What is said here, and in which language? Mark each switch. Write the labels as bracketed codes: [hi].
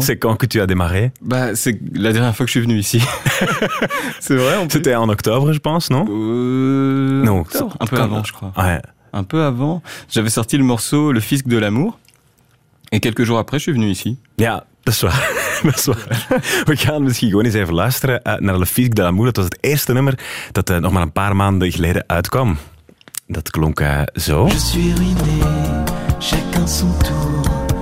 [fr] C'est quand que tu as démarré? Bah, c'est la dernière fois que je suis venu ici. C'est vrai, en plus. C'était en octobre, je pense, non? Non. Octobre, un peu avant, je crois. Ouais. Un peu avant. J'avais sorti le morceau Le Fisc de l'amour. Et quelques jours après, je suis venu ici. [nl] Yeah. Dat is waar. We gaan misschien gewoon eens even luisteren naar Le Fisc de l'amour. Dat was het eerste nummer dat nog maar een paar maanden geleden uitkwam. Dat klonk zo. [fr] Je suis ruiné, chacun son tour.